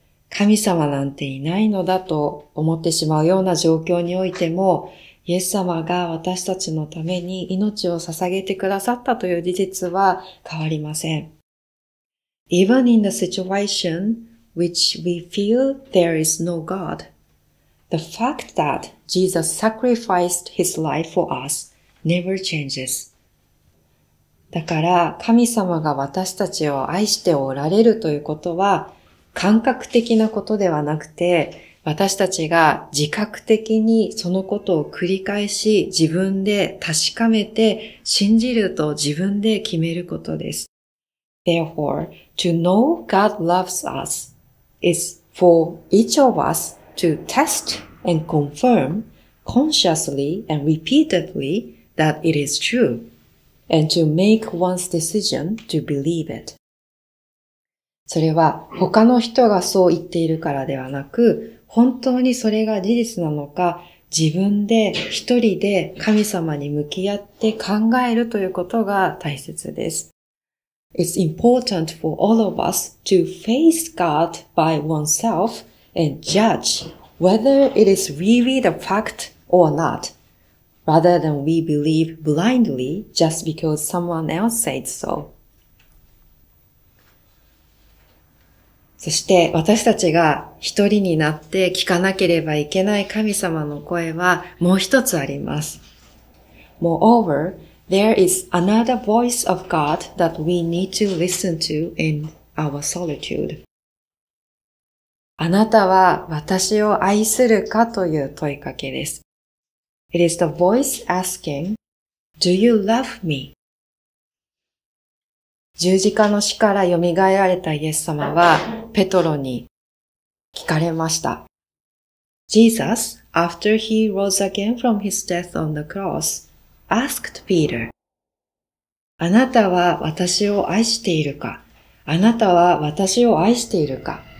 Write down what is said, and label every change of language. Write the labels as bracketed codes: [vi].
[ja] 神様なんていないのだと思ってしまうような状況においても、イエス様が私たちのために命を捧げてくださったという事実は変わりません。 [en] Even in the situation which we feel there is no God, the fact that Jesus sacrificed his life for us never changes. [ja] だから神様が私たちを愛しておられるということは感覚的なことではなくて、私たちが自覚的にそのことを繰り返し自分で確かめて信じると自分で決めることです。 [en] Therefore, to know God loves us is for each of us to test and confirm consciously and repeatedly that it is true and to make one's decision to believe it. [ja] それは他の人がそう言っているからではなく、本当にそれが事実なのか、自分で一人で神様に向き合って考えるということが大切です。 [en] It's important for all of us to face God by oneself and judge whether it is really the fact or not, rather than we believe blindly just because someone else said so. [ja] そして私たちが一人になって聞かなければいけない神様の声はもう一つあります。 [en] Moreover, there is another voice of God that we need to listen to in our solitude. [ja] あなたは私を愛するかという問いかけです。 [en] It is the voice asking, Do you love me? [ja] 十字架の死から蘇られたイエス様はペトロに聞かれました。 [en] Jesus, after he rose again from his death on the cross, asked Peter, [ja] あなたは私を愛しているか?あなたは私を愛しているか?